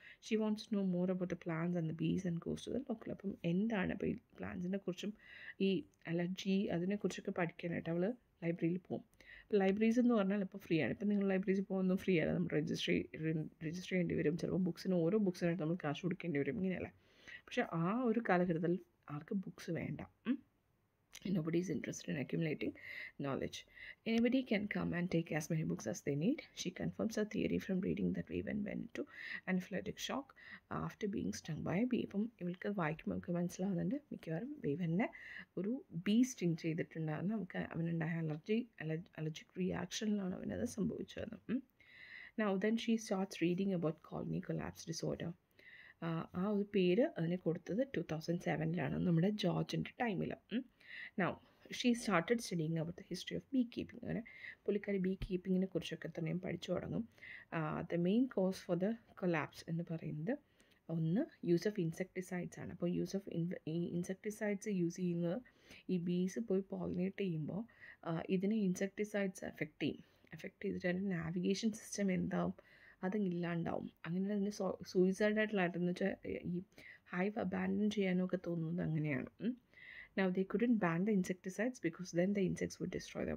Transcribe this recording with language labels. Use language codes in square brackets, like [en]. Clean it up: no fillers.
[en] She wants know more about the plants and the bees and goes to the local. [ml] അപ്പം എന്താണ് അപ്പോൾ ഈ പ്ലാന്റ്സിനെ കുറിച്ചും ഈ അലർജി അതിനെക്കുറിച്ചൊക്കെ പഠിക്കാനായിട്ട് അവൾ ലൈബ്രറിയിൽ പോകും. അപ്പോൾ ലൈബ്രറീസ് എന്ന് പറഞ്ഞാൽ ഇപ്പോൾ ഫ്രീ ആണ്. ഇപ്പം നിങ്ങൾ ലൈബ്രറീസ് പോകുന്നതും ഫ്രീ അല്ല, നമ്മൾ രജിസ്റ്റർ ചെയ്യേണ്ടി വരും. ചിലപ്പോൾ ബുക്സിന് ഓരോ ബുക്സിനായിട്ട് നമ്മൾ കാശ് കൊടുക്കേണ്ടി വരും, ഇങ്ങനെയല്ല. പക്ഷേ ആ ഒരു കാലഘട്ടത്തിൽ ആർക്ക് ബുക്സ് വേണ്ട. [en] Nobody is interested in accumulating knowledge. Anybody can come and take as many books as they need. She confirms her theory from reading that Raven went into anaphylactic shock after being stung by a bee. [ml] ഇപ്പം ഇവൾക്ക് വായിക്കുമ്പോൾ നമുക്ക് മനസ്സിലാവുന്നുണ്ട് മിക്കവാറും വേവനെ ഒരു B sting ചെയ്തിട്ടുണ്ടായിരുന്നു. നമുക്ക് അവനുണ്ടായ allergic റിയാക്ഷനിലാണ് അവനത് സംഭവിച്ചത്. [en] Now then she starts reading about colony collapse disorder. [ml] ആ ഒരു പേര് അതിനെ കൊടുത്തത് 2007 നമ്മുടെ ജോർജിൻ്റെ ടൈമിൽ. [en] Now she started studying about the history of beekeeping. [ml] അങ്ങനെ പുള്ളിക്കാരി ബീ കീപ്പിങ്ങിനെ കുറിച്ചൊക്കെ തന്നെ പഠിച്ചു തുടങ്ങും. [en] the main cause for the collapse [ml] എന്ന് പറയുന്നത് ഒന്ന് യൂസ് ഓഫ് ഇൻസെക്ടിസൈഡ്സ് ആണ്. അപ്പോൾ യൂസ് ഓഫ് ഇൻസെക്ടിസൈഡ്സ് യൂസ് ചെയ്യുന്നത് ഈ ബീസ് പോയി പോളിനേറ്റ് ചെയ്യുമ്പോൾ ഇതിനെ ഇൻസെക്ടിസൈഡ്സ് എഫക്റ്റ് ചെയ്യും. എഫക്റ്റ് ചെയ്തിട്ട് അതിൻ്റെ നാവിഗേഷൻ സിസ്റ്റം എന്താവും അതങ്ങില്ലാണ്ടാവും. അങ്ങനെ അതിൻ്റെ സൂയിസൈഡായിട്ടുള്ളതെന്ന് വെച്ചാൽ ഈ ഹൈവ് അബാൻഡൻ ചെയ്യാനൊക്കെ തോന്നുന്നത് അങ്ങനെയാണ്. [en] Now they couldn't ban the insecticides because then the insects would destroy them.